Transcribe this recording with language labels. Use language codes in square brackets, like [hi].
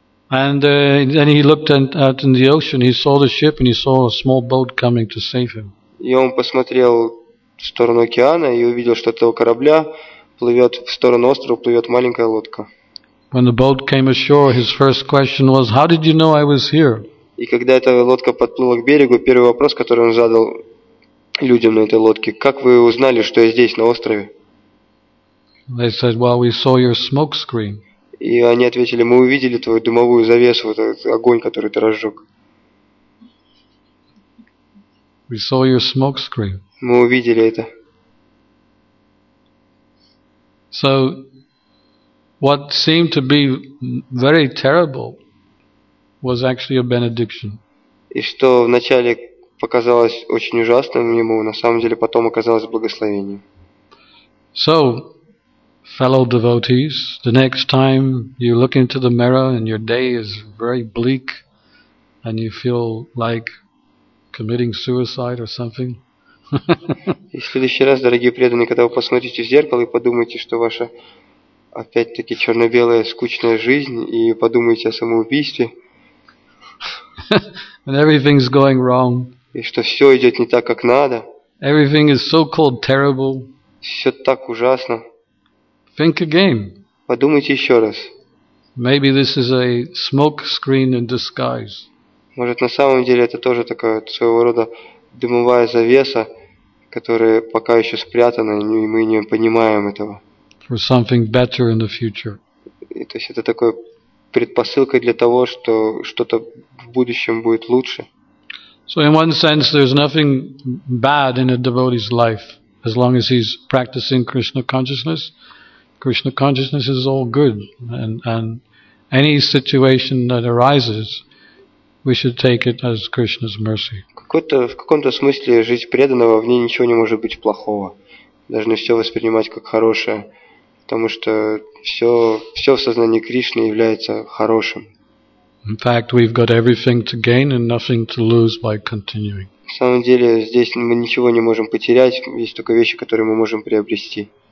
[en] And then he looked out in the ocean. He saw the ship and he saw a small boat coming to save him. [ru] И он посмотрел в сторону океана и увидел, что от этого корабля плывет в сторону острова плывет маленькая лодка. [en] When the boat came ashore, his first question was, "How did you know I was here?" [ru] И когда эта лодка подплыла к берегу, первый вопрос, который он задал людям на этой лодке, как вы узнали, что я здесь, на острове? [en] They said, "Well, we saw your smoke screen." [ru] И они ответили, мы увидели твою дымовую завесу, вот этот огонь, который ты разжег. [en] We saw your smoke screen. [ru] Мы увидели это. [en] So, what seemed to be very terrible was actually a benediction. [ru] И что вначале показалось очень ужасным ему, на самом деле потом оказалось благословением. [en] So, fellow devotees, the next time you look into the mirror and your day is very bleak and you feel like committing suicide or something. [ru] И в следующий раз, дорогие преданные, когда вы посмотрите в зеркало и подумаете, что ваша опять-таки черно-белая скучная жизнь и подумаете о самоубийстве. [en] And everything's going wrong. [ru] И что все идет не так, как надо. [en] Everything is so-called terrible. [ru] Все так ужасно. [en] Think again. [ru] Подумайте еще раз. [en] Maybe this is a smoke screen in disguise. [ru] Может, на самом деле это тоже такая своего рода дымовая завеса, которая пока еще спрятана, и мы не понимаем этого. [en] For something better in the future. [ru] И, то есть это такой предпосылкой для того, что что-то в будущем будет лучше. [en] So in one sense, there's nothing bad in a devotee's life as long as he's practicing Krishna consciousness. Krishna consciousness is all good, and any situation that arises, we should take it as Krishna's mercy. [ru] В каком-то смысле жизнь преданного, в ней ничего не может быть плохого. Должны все воспринимать как хорошее, потому что все в сознании Кришны является хорошим. [en] In fact, we've got everything to gain and nothing to lose by continuing. [ru] На самом деле здесь мы ничего не можем потерять, есть только вещи, которые мы можем приобрести.